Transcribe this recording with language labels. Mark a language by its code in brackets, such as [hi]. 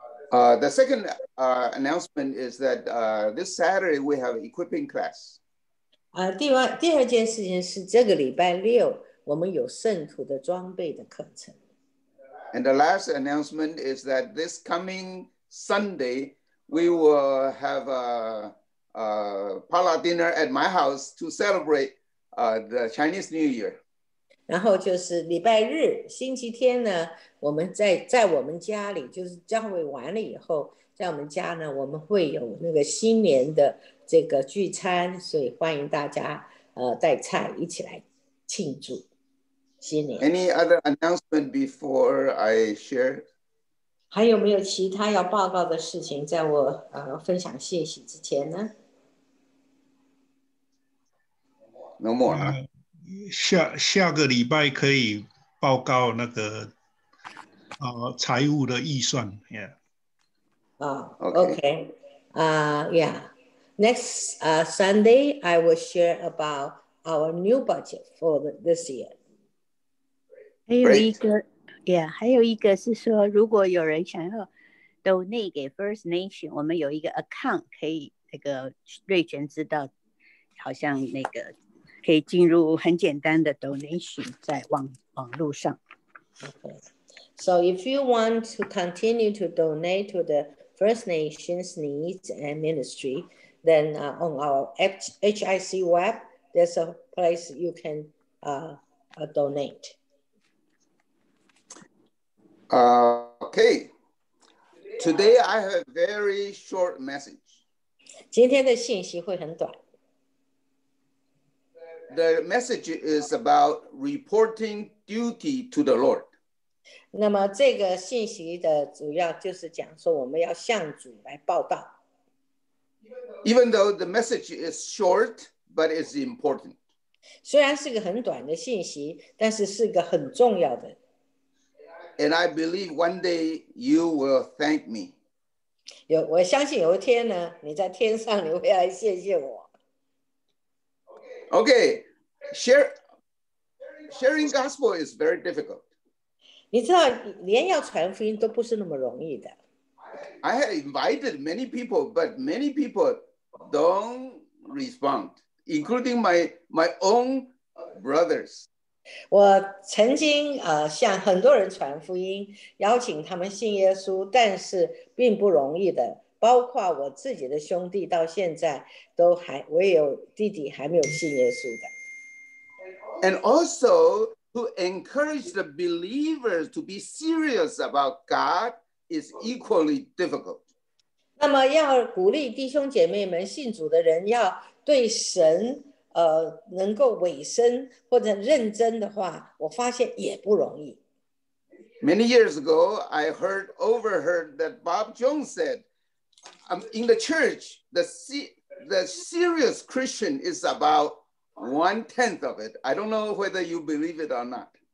[en] The second announcement is that this Saturday we have equipping class. [zh] 第二件事情是这个礼拜六我们有圣徒的装备的课程。 [en] And the last announcement is that this coming Sunday, we will have a potluck dinner at my house to celebrate the Chinese New Year. [zh] 然后就是礼拜日星期天呢，我们在我们家里就是教会完了以后，在我们家呢，我们会有那个新年的这个聚餐，所以欢迎大家带菜一起来庆祝。 [en] Any other announcement before I share? [zh] 还有没有其他要报告的事情在我分享信息之前呢？ [en] No more. [zh] 下个礼拜可以报告那个财务的预算。 [en] Yeah. Okay. Yeah. Next Sunday, I will share about our new budget for this year. [zh] 还有一个 yeah, 还有一个是说如果有人想要 donate 给 First Nation, 我们有一个 account 可以那个瑞泉知道好像那个可以进入很简单的 donation 在网路上。 [en] So if you want to continue to donate to the First Nation's needs and ministry, then on our HIC web, there's a place you can donate. Okay, today I have a very short message. [zh] 今天的信息会很短。 [en] The message is about reporting duty to the Lord. [zh] 那么这个信息的主要就是讲说我们要向主来报道。 [en] Even though the message is short, but it's important. [zh] 虽然是个很短的信息，但是是个很重要的。 [en] And I believe one day you will thank me. [zh] 我相信有一天呢，你在天上你会来谢谢我。 [en] Okay, sharing gospel is very difficult. [zh] 你知道连要传福音都不是那么容易的。 [en] I have invited many people, but many people don't respond, including my own brothers. [zh] 我曾经向很多人传福音，邀请他们信耶稣，但是并不容易的。包括我自己的兄弟，到现在都还，我也有弟弟还没有信耶稣的。 [en] And also to encourage the believers to be serious about God is equally difficult. [zh] 那么要鼓励弟兄姐妹们信主的人要对神。能够委身或者认真的话，我发现也不容易。 [en] Many years ago, I overheard that Bob Jones said, in the church, the serious Christian is about one tenth of it. I don't know whether you believe it or not.